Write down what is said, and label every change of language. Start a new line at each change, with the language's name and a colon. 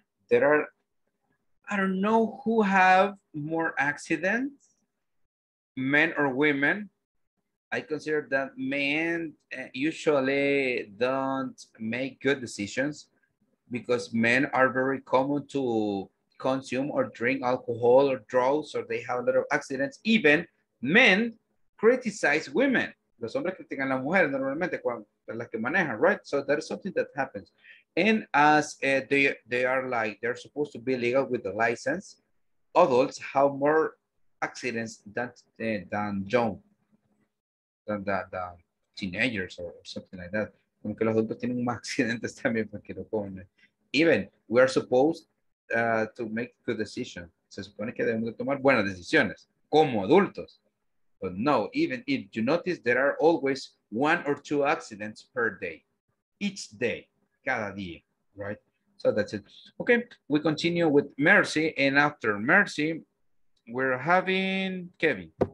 English: There are, I don't know who have more accidents, men or women. I consider that men usually don't make good decisions because men are very common to consume or drink alcohol or drugs, or they have a lot of accidents. Even men criticize women.
Spanish: Los hombres critican a las mujeres normalmente cuando las que manejan, right?
English: So that is something that happens. And as they are like, they're supposed to be legal with the license, adults have more accidents than teenagers or something like that.
Spanish: Como que los adultos tienen más accidentes también porque lo ponen.
English: Even we are supposed to make good decisions.
Spanish: Se supone que debemos de tomar buenas decisiones como adultos.
English: But no, even if you notice, there are always one or two accidents per day, each day.
Spanish: Cada día,
English: right? So that's it. Okay, we continue with Mercy, and after Mercy, we're having Kevin.